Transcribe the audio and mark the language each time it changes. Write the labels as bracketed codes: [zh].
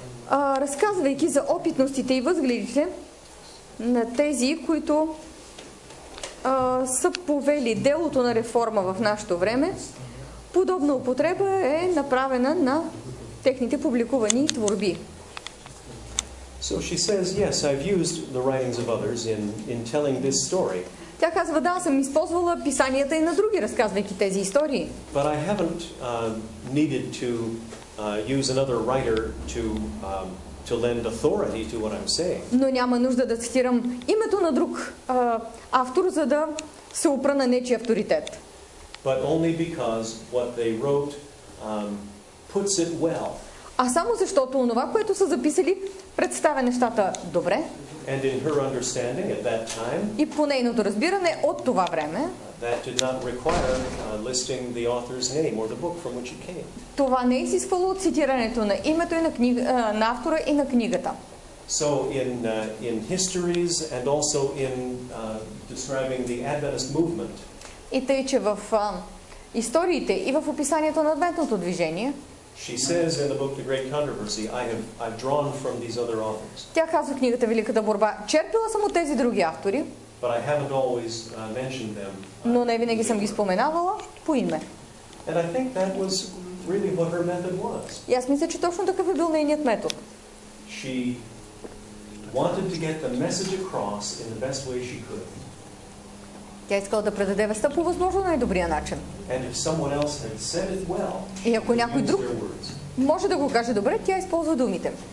[bg] Разказвайки за опитностите и възгледите на тези, които са повели делото на реформа в нашето време, подобна употреба е направена на техните публикувани творби. [en] So she says, yes, I've used the writings of others in telling this story. [bg] Тя казва, да, съм използвала писанията и на други, разказвайки тези истории. [en] But I haven't needed to use another writer to lend authority to what I'm saying. [bg] Но няма нужда да цитирам името на друг автор, за да се опра на нечи авторитет. [en] But only because what they wrote puts it well. [bg] А само защото онова, което са записали, представя нещата добре. [en] And in her understanding at that time, [bg] и по нейното разбиране от това време, [en] that did not require listing the author's name or the book from which it came. [bg] Това не изисквало цитирането на името и на автора и на книгата. [en] So in histories and also in describing the Adventist movement. [bg] И тъй, че в историите и в описанието на адвентното движение. [en] She says in the book The Great Controversy, I've drawn from these other authors. [bg] Тя казва в книгата Великата борба, черпила съм от тези други автори. [en] But I haven't always mentioned them. [bg] Но не винаги съм ги споменавала по име. [en] And I think that was really what her method was. [bg] И аз мисля, че точно такъв е бил нейният метод. [en] She wanted to get the message across in the best way she could. [bg] Тя искала да предаде веста по възможно най-добрия начин. [en] And if someone else had said it well, [bg] и ако някой друг може да го каже добре, тя използва думите.